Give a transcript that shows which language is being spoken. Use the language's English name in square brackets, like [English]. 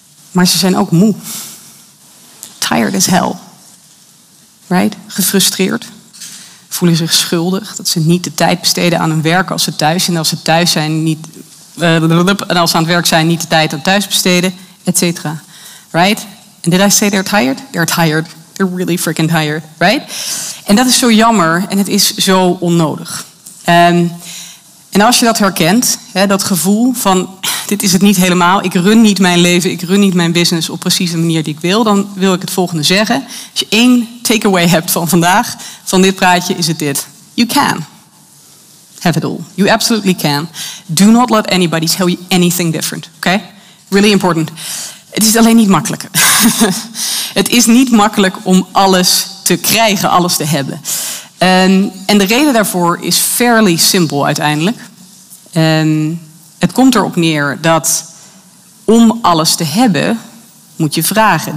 [Dutch] Maar ze zijn ook moe. [English] Tired as hell. Right? [Dutch] Gefrustreerd. Voelen zich schuldig dat ze niet de tijd besteden aan hun werk als ze thuis zijn. En als ze thuis zijn, als ze aan het werk zijn, niet de tijd aan thuis besteden, et cetera. [English] Right? And did I say they're tired? They're tired. They're really freaking tired, right? [Dutch] En dat is zo jammer en het is zo onnodig. En als je dat herkent, hè, dat gevoel van dit is het niet helemaal. Ik run niet mijn leven, ik run niet mijn business op precies de manier die ik wil. Dan wil ik het volgende zeggen. Als je één takeaway hebt van vandaag, van dit praatje, is het dit. [English] You can have it all. You absolutely can. Do not let anybody tell you anything different, okay? Really important. [Dutch] Het is alleen niet makkelijk. Het is niet makkelijk om alles te krijgen, alles te hebben. En de reden daarvoor is [English] fairly [Dutch] simpel uiteindelijk. Het komt erop neer dat om alles te hebben, moet je vragen.